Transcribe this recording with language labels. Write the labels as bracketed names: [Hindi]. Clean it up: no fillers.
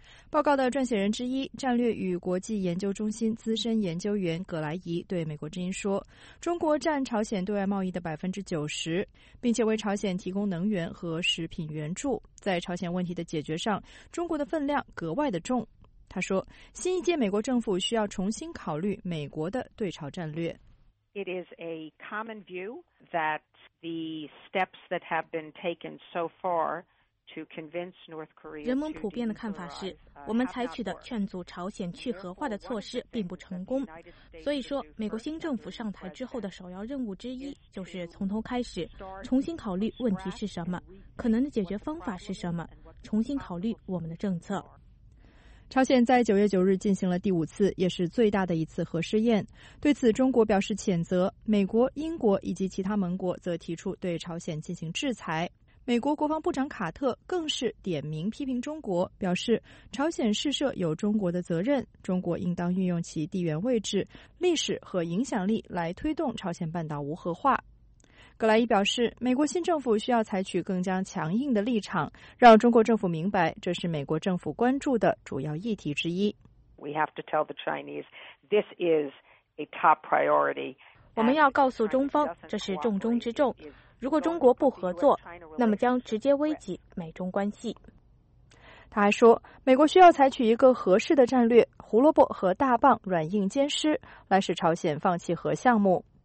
[Chinese] 报告的撰写人之一、战略与国际研究中心资深研究员葛莱仪对美国之音说，中国占朝鲜对外贸易的90%，并且为朝鲜提供能源和食品援助。在朝鲜问题的解决上，中国的分量格外的重。他说，新一届美国政府需要重新考虑美国的对朝战略。 [English] It is a common view that the steps that have been taken so far to convince North Korea. [Chinese] 人们普遍的看法是，我们采取的劝阻朝鲜去核化的措施并不成功。所以说，美国新政府上台之后的首要任务之一就是从头开始，重新考虑问题是什么，可能的解决方法是什么，重新考虑我们的政策。朝鲜在9月9日进行了第5次也是最大的一次核试验，对此中国表示谴责，美国、英国以及其他盟国则提出对朝鲜进行制裁。美国国防部长卡特更是点名批评中国，表示朝鲜试射有中国的责任，中国应当运用其地缘位置、历史和影响力来推动朝鲜半岛无核化。葛莱仪表示，美国新政府需要采取更加强硬的立场，让中国政府明白这是美国政府关注的主要议题之一。 [English] We have to tell the Chinese this is a top priority. [Chinese] 我们要告诉中方，这是重中之重。如果中国不合作，那么将直接危及美中关系。他还说，美国需要采取一个合适的战略，胡萝卜和大棒软硬兼施，来使朝鲜放弃核项目。